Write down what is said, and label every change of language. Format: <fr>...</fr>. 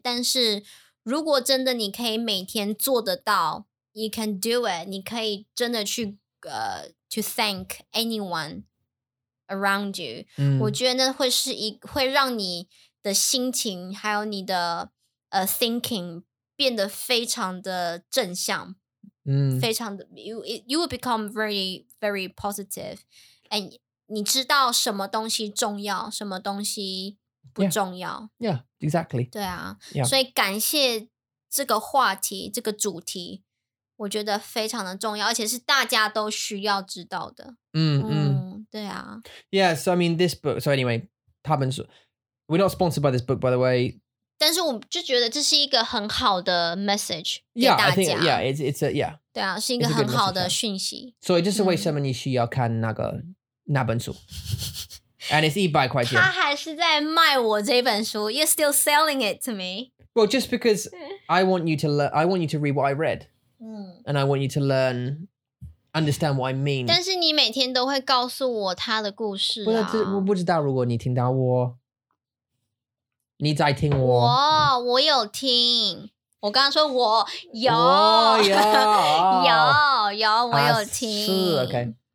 <zh>但是如果真的你可以每天做得到，</zh> <en>you can do it,</en> <zh>你可以真的去</zh> <en>to thank</en> <zh>anyone around you, 我觉得那会是一会让你的心情还有你的thinking 变得非常的正向，非常的</zh> <en>you will become very very positive,</en> <zh>and 你知道什么东西重要，什么东西不重要。</zh> <en>Yeah, exactly.</en> <zh>对啊，</zh> <en>yeah.</en> <zh>所以感谢这个话题，这个主题我觉得非常的重要，而且是大家都需要知道的。对啊。</zh> <en>Yeah, so I mean this book, so anyway,</en> <zh>他们说</zh> <en>We're not sponsored by this book, by the way.</en> <zh>但是我就觉得这是一个很好的 message 给大家。</zh> <en>Yeah, I think, yeah, it's a, yeah.</en> <zh>对啊，是一个很好的讯息。所以这是为什么你需要看那个那本书。</zh> <en>And it's $100.</en> <zh>他还是在卖我这本书。</zh> <en>You're still selling it to me. Well, just because I want you to learn, I want you to read what I read. And I want you to learn, understand what I mean.</en> <zh>但是你每天都会告诉我他的故事啊。我不知道如果你听到我。你在听我？我有听。我刚刚说我有，我有听。是 OK。</zh>